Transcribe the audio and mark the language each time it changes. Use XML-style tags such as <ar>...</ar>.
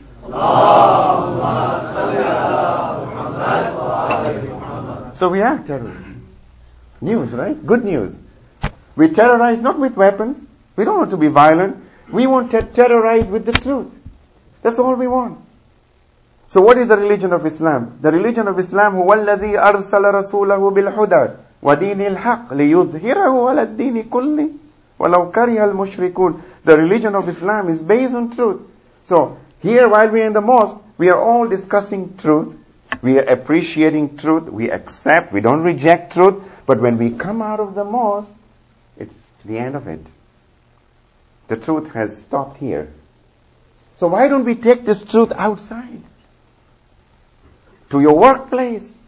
<ar>Allahumma salli ala Muhammad wa Ali Muhammad.</ar> <en>So we are terrorists. News, right? Good news. We terrorize not with weapons. We don't want to be violent. We want to terrorize with the truth. That's all we want. So what is the religion of Islam? The religion of Islam,</en> <ar>هو الذي أرسل رسوله بالهدى ودين الحق ليظهره على الدين كله ولو كره المشركون.</ar> <en>The religion of Islam is based on truth. So here while we are in the mosque, we are all discussing truth. We are appreciating truth. We accept. We don't reject truth. But when we come out of the mosque, it's the end of it. The truth has stopped here. So why don't we take this truth outside? To your workplace.</en>